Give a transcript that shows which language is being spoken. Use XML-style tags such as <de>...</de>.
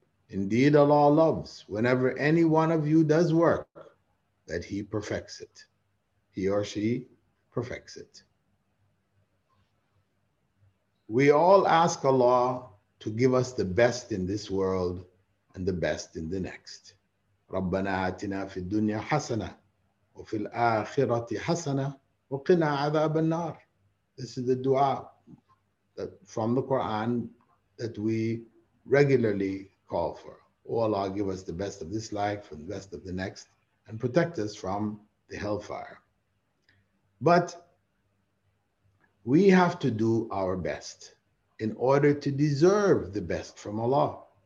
<en>Indeed, Allah loves whenever any one of you does work, that he perfects it. He or she perfects it. We all ask Allah to give us the best in this world and the best in the next.</en> <ar>ربنا آتنا في الدنيا حسنة وفي الآخرة حسنة وقنا عذاب النار.</ar> <en>This is the dua that from the Quran that we regularly call for. Oh Allah, give us the best of this life and the best of the next and protect us from the hellfire. But we have to do our best in order to deserve the best from Allah.</en>